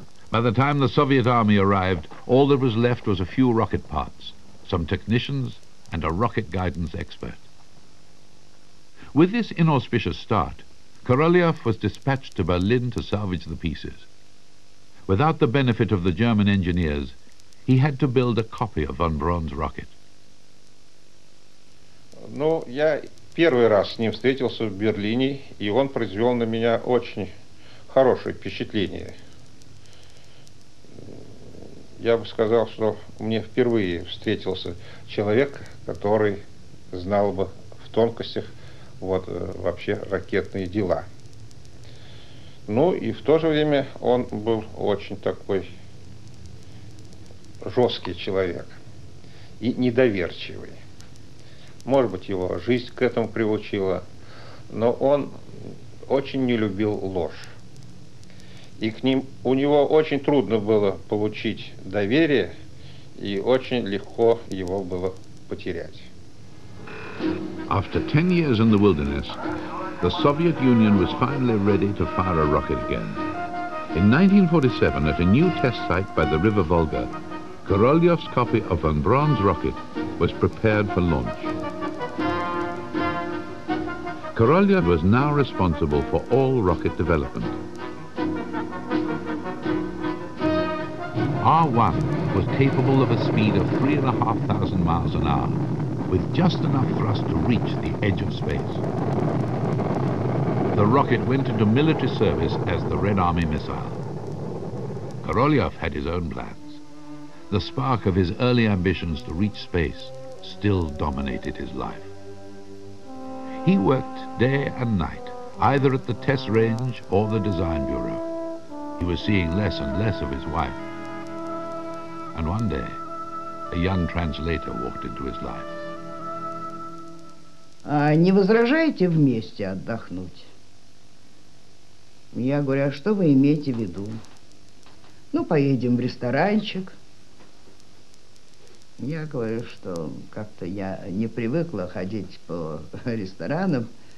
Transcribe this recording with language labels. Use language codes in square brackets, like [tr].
[en] By the time the Soviet army arrived, all that was left was a few rocket parts, some technicians, and a rocket guidance expert. With this inauspicious start, Korolyov was dispatched to Berlin to salvage the pieces. Without the benefit of the German engineers, he had to build a copy of von Braun's rocket. [ru] Ну, я первый раз с ним встретился в Берлине, и он произвел на меня очень хорошее впечатление. Я бы сказал, что мне впервые встретился человек, который знал бы в тонкостях вот вообще ракетные дела. Ну и в то же время он был очень такой жесткий человек и недоверчивый. Может быть, его жизнь к этому приучила, но он очень не любил ложь. И к ним у него очень трудно было получить доверие и очень легко его было потерять. [en] After 10 years in the wilderness, the Soviet Union was finally ready to fire a rocket again. In 1947, at a new test site by the River Volga, Korolev's copy of von Braun's rocket was prepared for launch. Korolev was now responsible for all rocket development. R1 was capable of a speed of 3,500 miles an hour, with just enough thrust to reach the edge of space. The rocket went into military service as the Red Army missile. Korolev had his own plans. The spark of his early ambitions to reach space still dominated his life. He worked day and night, either at the test range or the design bureau. He was seeing less and less of his wife. And one day, a young translator walked into his life. [ru] А не возражаете вместе отдохнуть? Я говорю, а что вы имеете в виду? Ну, поедем в ресторанчик. Я говорю, что как-то я не привыкла ходить по ресторанам.